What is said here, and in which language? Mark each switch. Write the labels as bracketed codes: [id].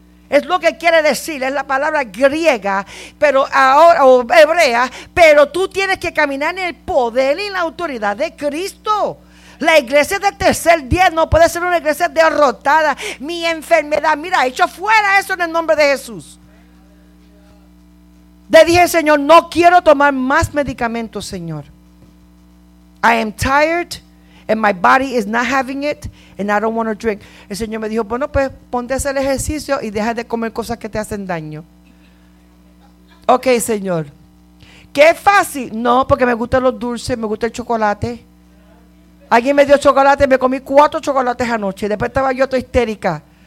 [es] Es lo que quiere decir, es la palabra griega, pero ahora, o hebrea, pero tú tienes que caminar en el poder y en la autoridad de Cristo. La iglesia del tercer día no puede ser una iglesia derrotada. Mi enfermedad, mira, echo fuera eso en el nombre de Jesús. Le dije, Señor, no quiero tomar más medicamentos, Señor. [en] I am tired and my body is not having it and I don't want to drink. [es] El Señor me dijo, bueno, pues ponte a hacer ejercicio y deja de comer cosas que te hacen daño. Ok, Señor. ¿Qué fácil? No, porque me gustan los dulces, me gusta el chocolate. Alguien me dio chocolate, me comí 4 chocolates anoche. Después estaba yo toda histérica.